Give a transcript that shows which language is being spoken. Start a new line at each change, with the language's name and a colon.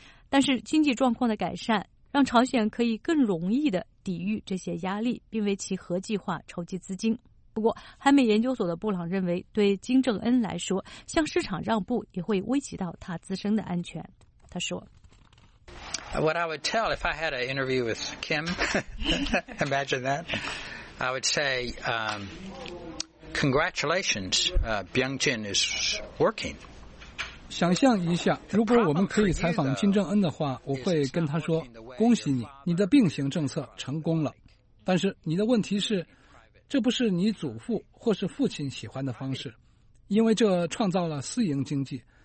Chinese: 但是经济状况的改善让朝鲜可以更容易地抵御这些压力，并为其核计划筹集资金。不过，韩美研究所的布朗认为，对金正恩来说，向市场让步也会危及到他自身的安全。他说
English: ：“What I would tell if I had an interview with Kim, imagine that, I would say, congratulations, Byung-jin is working.”
Chinese: 想象一下，如果我们可以采访金正恩的话，我会跟他说：“恭喜你，你的并行政策成功了。” 但是你的问题是。这不是你祖父或是父亲喜欢的方式，因为这创造了私营经济。